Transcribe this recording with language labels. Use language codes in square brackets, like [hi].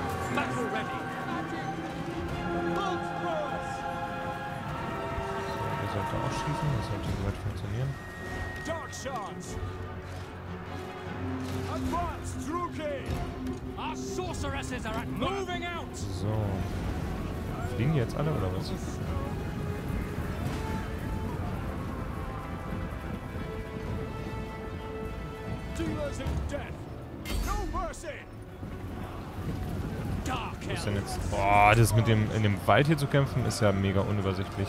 [de] So, der sollte auch schießen, das sollte soweit funktionieren. [en] Dark Shards! Advance, Druki! Our sorceresses are at moving out! [de] So. fliegen die jetzt alle oder was? Was denn jetzt? Boah, das mit dem in dem Wald hier zu kämpfen ist ja mega unübersichtlich.